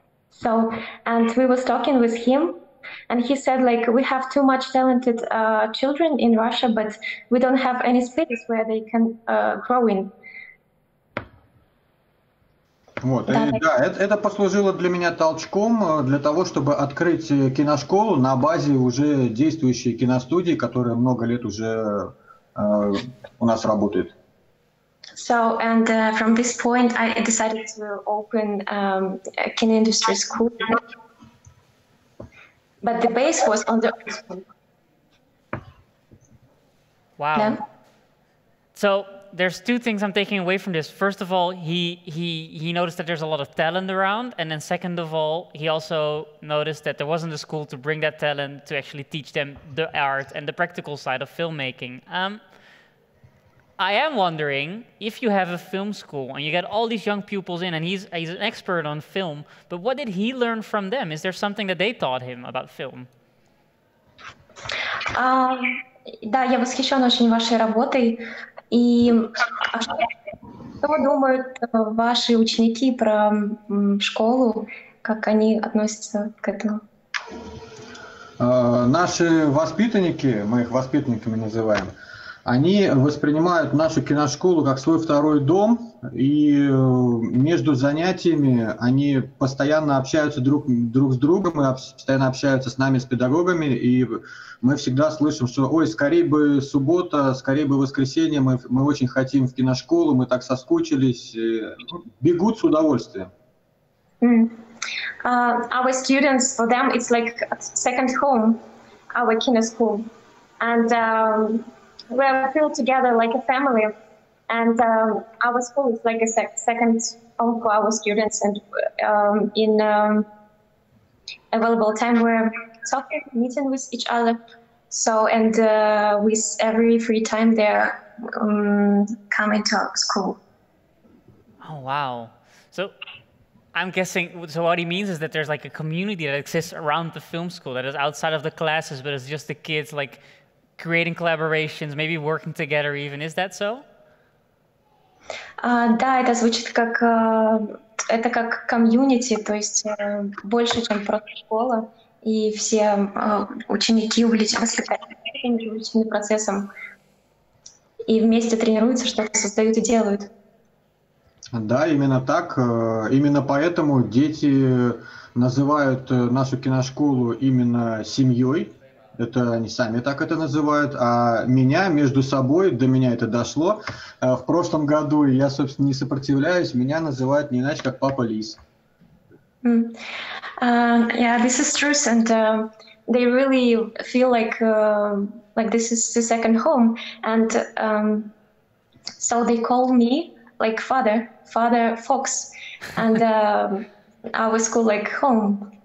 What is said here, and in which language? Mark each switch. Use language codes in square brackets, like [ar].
[en] So, and we was talking with him, and he said, like, we have too much talented children in Russia, but we don't have any space where they can grow in. [ru] Вот, это послужило для меня толчком для того, чтобы открыть киношколу на базе уже действующей киностудии, которая много лет уже у нас работает. [en] So, and from this point, I decided to open a kino industry school. But the base was on the Oxford. Wow. Yeah. So there's two things I'm taking away from this. First of all, he noticed that there's a lot of talent around. And then second of all, he also noticed that there wasn't a school to bring that talent to actually teach them the art and the practical side of filmmaking. I am wondering, if you have a film school and you get all these young pupils in, and he's an expert on film, but what did he learn from them? Is there something that they taught him about film? [ru] Да, я восхищен очень вашей работой. И что думают ваши ученики про школу? Как они относятся к этому? Наши воспитанники, мы их воспитанниками называем, они воспринимают нашу киношколу как свой второй дом, и между занятиями они постоянно общаются друг с другом, и постоянно общаются с нами, с педагогами, и мы всегда слышим, что «Ой, скорее бы суббота, скорее бы воскресенье, мы очень хотим в киношколу, мы так соскучились», бегут с удовольствием. [en] Our students, for them, it's like second home, our киношколу. And we feel together like a family, and our school is like a second home for our students. And in available time, we're talking, meeting with each other. So, and with every free time, they're coming to our school. Oh, wow. So I'm guessing, so what he means is that there's like a community that exists around the film school that is outside of the classes, but it's just the kids like creating collaborations, maybe working together even. Is that so? [ru] Да, это звучит как это как комьюнити, то есть больше, чем просто школа, и все ученики увлечены процессом и вместе тренируются, что-то создают и делают. Да, именно так. Именно поэтому дети называют нашу киношколу именно семьей. Это они сами так это называют, а меня между собой, до меня это дошло, в прошлом году, и я, собственно, не сопротивляюсь, меня называют не иначе, как Папа Лис. [en] Yeah, this is true, and they really feel like this is the second home, and so they call me, like, Father Fox, and our school, like, home.